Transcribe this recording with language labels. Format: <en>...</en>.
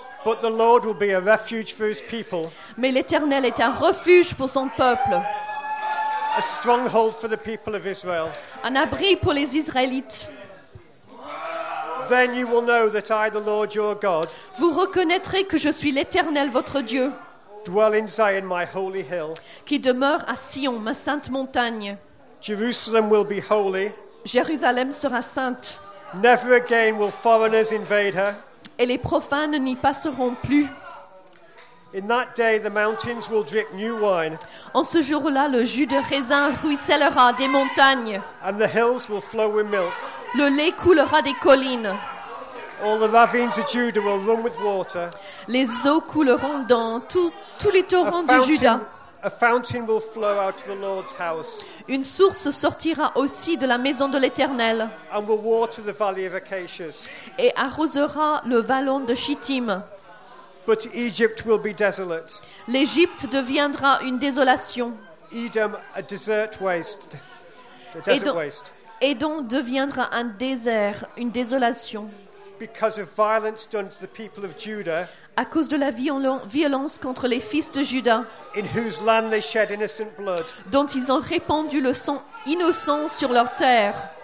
<en>But the Lord will be a refuge for his people.</en> <fr>Mais l'Éternel est un refuge pour son peuple.</fr> <en>A stronghold for the people of Israel.</en> <fr>Un abri pour les Israélites.</fr> <en>Then you will know that I, the Lord your God,</en> <fr>vous reconnaîtrez que je suis l'Éternel votre Dieu.</fr> <en>Dwell in Zion, my holy hill.</en> <fr>Qui demeure à Sion, ma sainte montagne.</fr> <en>Jerusalem will be holy.</en> <fr>Jérusalem sera sainte.</fr> <en>Never again will foreigners invade her.</en> <fr>Et les profanes n'y passeront plus.</fr> <en>In that day, the mountains will drip new wine.</en> <fr>En ce jour-là, le jus de raisin ruissellera des montagnes.</fr> <en>And the hills will flow with milk.</en> <fr>Le lait coulera des collines.</fr> <en>All the ravines of Judah will run with water.</en> <fr>Les eaux couleront dans tous les torrents de Juda.</fr> <en>A fountain will flow out of the Lord's house.</en> <fr>Une source sortira aussi de la maison de l'Éternel.</fr> <en>And will water the valley of Acacias.</en> <fr>Et arrosera le vallon de Chittim.</fr> <en>But Egypt will be desolate.</en> <fr>L'Égypte deviendra une désolation.</fr> <en>Edom, a desert waste. A desert waste.</en> <fr>Édom deviendra un désert, une désolation.</fr> <en>Because of violence done to the people of Judah.</en> <fr>À cause de la violence contre les fils de Juda.</fr> <en>In whose land they shed innocent blood.</en> <fr>Dont ils ont répandu le sang innocent sur leur terre.</fr>